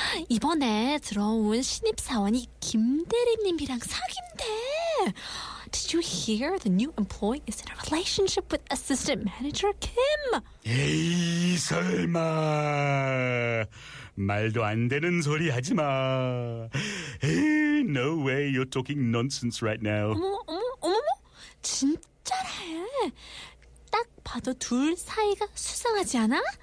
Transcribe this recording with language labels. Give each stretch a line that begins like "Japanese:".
Korean: 이번에 들어온 신입 사원이 김대리님이랑 사귄대.
English: Did you hear the new employee is in a relationship with assistant manager Kim?
Korean: 에이 설마. 말도 안 되는 소리 하지 마.
English: Hey, no way you're talking nonsense right now.
Korean: 어머 진짜래. 딱 봐도 둘 사이가 수상하지 않아?